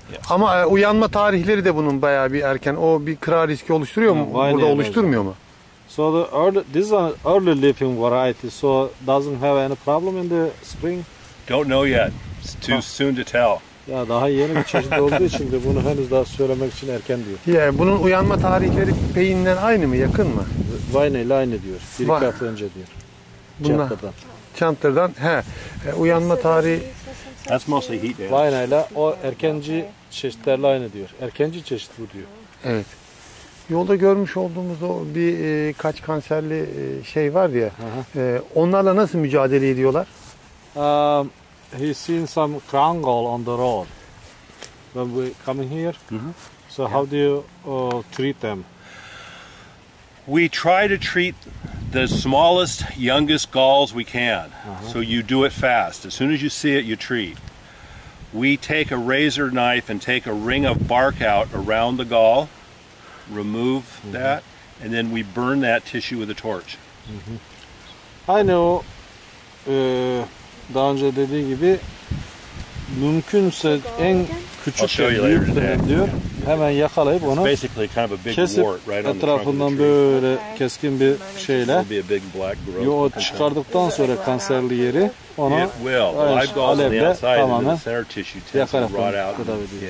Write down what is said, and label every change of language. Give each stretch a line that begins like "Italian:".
Turkish: Ama uyanma tarihleri de bunun bayağı bir erken. O bir kıra riski oluşturuyor mu? Burada oluşturmuyor mu?
English: So the early, this is an early leafing variety, so doesn't have any problem in the spring. Don't know yet. It's too soon to tell.
Turkish: Ya daha yeni bir çeşit olduğu için de bunu henüz daha söylemek için erken diyor. Yani bunun uyanma tarihleri peyinden aynı mı, yakın mı? Vine ile aynı diyor. Bir iki hafta önce diyor. Çantırdan. Çantırdan. He. Uyanma tarihi.
English: That's mostly heat.
Turkish: Vine ile o erkenci çeşitlerle aynı diyor. Erkenci çeşit bu diyor. Evet. Yolda görmüş olduğumuz o bir kaç kanserli şey var ya. Onlarla nasıl mücadele ediyorlar?
English: He seen some crown gall on the road when we coming here. So how do you treat them? We try to treat the smallest, youngest galls we can. So you do it fast. As soon as you see it, you treat. We take a razor knife and take a ring of bark out around the gall, remove that, and then we burn that tissue with a torch. I know.
Turkish: Daha önce dediği gibi mümkünse en küçük büyük diyor. Hemen yakalayıp onu kesip etrafından böyle keskin bir şeyle yo çıkardıktan sonra kanserli yeri ona alevle tamamen yakarak kıdabı.